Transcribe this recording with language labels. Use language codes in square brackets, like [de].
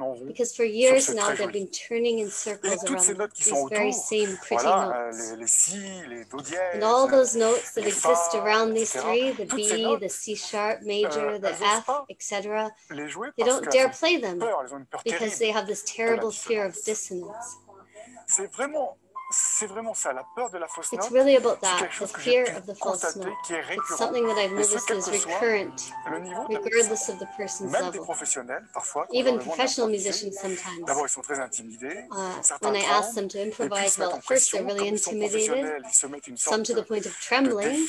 [en] Because for years now they've been turning in circles around these very same pretty notes. And all those notes that exist around these three, the B, the C sharp, major, the F, etc., they don't dare play them because they have this terrible fear of dissonance. [fr] C'est vraiment ça, la peur de la fausse note. [en] It's really about that, the fear of the false note. It's something that I've noticed is recurrent, regardless of the person's level. [fr] Même des professionnels, parfois, [en] even professional musicians sometimes. [fr] D'abord, ils sont très intimidés. [en] When I ask them to improvise, well, first they're really intimidated, some to the point of trembling.